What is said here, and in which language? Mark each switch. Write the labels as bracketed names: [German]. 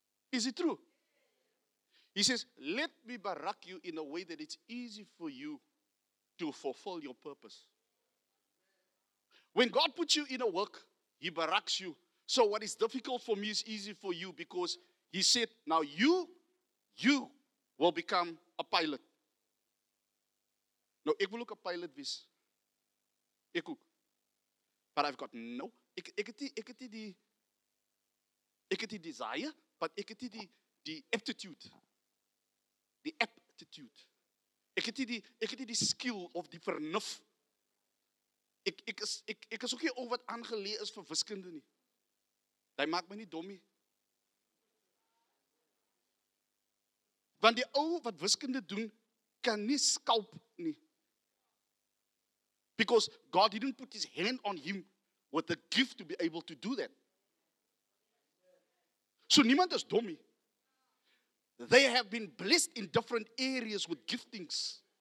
[English] Is it true? He says, let me barak you in a way that it's easy for you to fulfill your purpose. When God puts you in a work, he baraks you. So what is difficult for me is easy for you, because he said, now you will become a pilot. [Afrikaans] Nou, ek wil ook 'n pilot wees. Ek ook. [English] But I've got no, [Afrikaans] ek het die desire, but ek het die aptitude. Die aptitude. Ek het die skill of die vernuf. Ek is ook nie oor wat aangeleer is vir wiskunde nie. Dit maak my nie dom nie. Want die ou wat wiskunde doen, kan nie skalp nie. [English] Because God didn't put his hand on him with the gift to be able to do that. [Afrikaans] So niemand is dom nie. [English] They have been blessed in different areas with giftings.